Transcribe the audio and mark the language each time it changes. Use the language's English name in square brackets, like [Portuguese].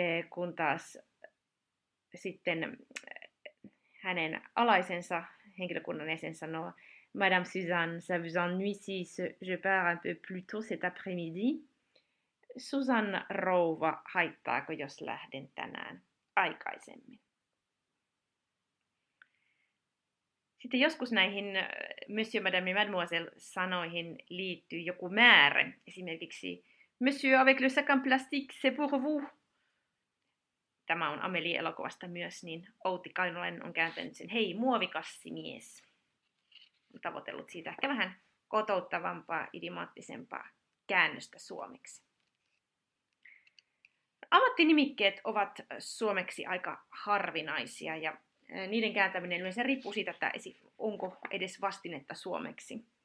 [Finnish] Kun taas sitten hänen alaisensa, henkilökunnan jäsen sanoo, [French] Madame Suzanne, ça vous ennuie si je pars un peu plus tôt cet après-midi? [Finnish] Suzanne rouva, haittaako, jos lähden tänään aikaisemmin? Sitten joskus näihin Monsieur, Madame ja Mademoiselle-sanoihin liittyy joku määrä. Esimerkiksi [French] Monsieur avec le sac en plastique, c'est pour vous. [Finnish] Tämä on Amélie-elokuvasta myös, niin Outi Kainulainen on kääntänyt sen hei muovikassimies. On tavoitellut siitä ehkä vähän kotouttavampaa, idiomaattisempaa käännöstä suomeksi. Ammattinimikkeet ovat suomeksi aika harvinaisia ja niiden kääntäminen yleensä riippuu siitä, että onko edes vastinetta suomeksi.